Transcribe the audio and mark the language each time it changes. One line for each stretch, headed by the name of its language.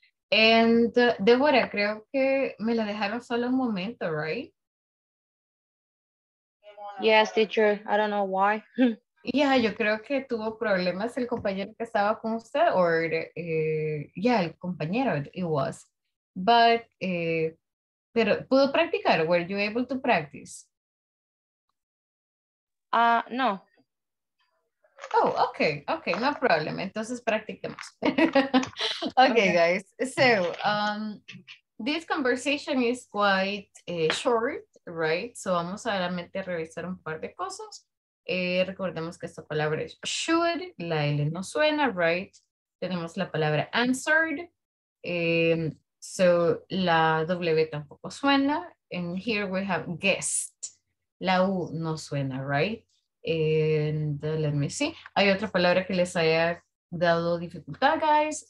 Spanish: And Deborah, creo que me la dejaron solo un momento, right?
English: Yes, teacher, I don't know why.
Spanish: Yeah, yo creo que tuvo problemas el compañero que estaba con usted,
English: or yeah,
Spanish: el compañero,
English: it was. But,
Spanish: pero pudo practicar,
English: were you able to practice? No. Oh, okay, okay, no problem.
Spanish: Entonces practiquemos.
English: Okay, guys, so this conversation is quite short, right?
Spanish: So vamos solamente a revisar un par de cosas. Recordemos que esta palabra es should, la L no suena, right? Tenemos la palabra answered, so la W tampoco suena.
English: And here we have guessed,
Spanish: la U no suena,
English: right? And let me see.
Spanish: ¿Hay otra palabra que les haya dado dificultad, guys?